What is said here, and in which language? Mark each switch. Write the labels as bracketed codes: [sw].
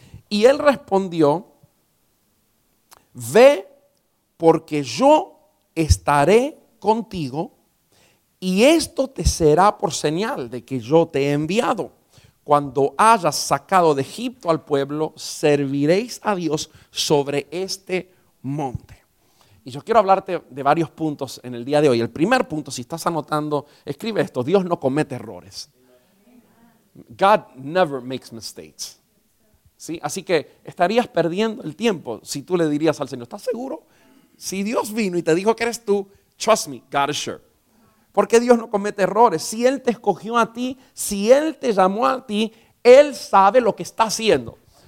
[es] Y él respondió, ve porque yo estaré contigo y esto te será por señal de que yo te he enviado. Cuando hayas sacado de Egipto al pueblo, serviréis a Dios sobre este monte. Y yo quiero hablarte de varios puntos en el día de hoy. El primer punto, si estás anotando, escribe esto: Dios no comete errores. [en] God never makes mistakes. [es] ¿Sí? Así que estarías perdiendo el tiempo si tú le dirías al Señor, ¿estás seguro? Si Dios vino y te dijo que eres tú, [en] trust me, God is sure. [es] Porque Dios no comete errores. Si Él te escogió a ti, si Él te llamó a ti, Él sabe lo que está haciendo.